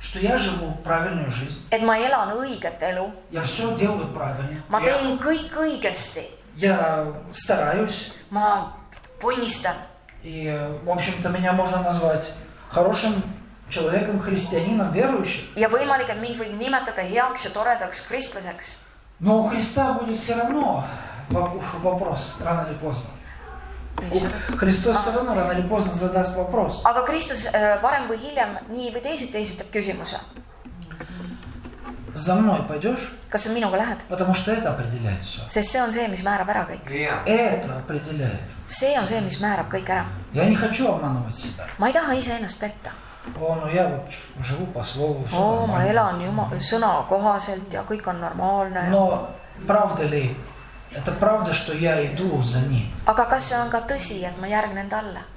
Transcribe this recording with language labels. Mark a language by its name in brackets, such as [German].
[Russian] Что я живу правильную жизнь. [Estonian] Et ma elan õiget elu. [Russian] Я все делаю правильно. [Estonian] Ma teen kõik õigesti. [Russian] Я стараюсь. [Estonian] Ma põnnistan. [Russian] И, в общем-то, меня можно назвать хорошим человеком, христианином, верующим. [Estonian] Ja võimalik, et mind võib nimetada heaks ja toredaks kristlaseks. [Russian] Но у Христа будет все равно вопрос, рано или поздно. Христос все равно рано или поздно задаст вопрос. [Estonian] Aga Kristus varem või hiljem nii või teisiti esitab küsimuse. [Russian] За мной пойдешь? [Estonian] Kas sa minuga lähed? [Russian] Потому что это определяет все. [Estonian] Sest see on see, mis määrab ära kõik. [Russian] Это определяет. [Estonian] See on see, mis määrab kõik ära. [Russian] Я не хочу обманывать себя. [Estonian] Ma ei taha ise ennast petta. [Russian] О, ну я вот живу по слову. [Estonian] О, ma elan sõna kohaselt ja kõik on normaalne. [Russian] Но правда ли? Это правда, что я иду за ним? [Estonian] Aga kas see on ka tõsi, et ma järgnen talle?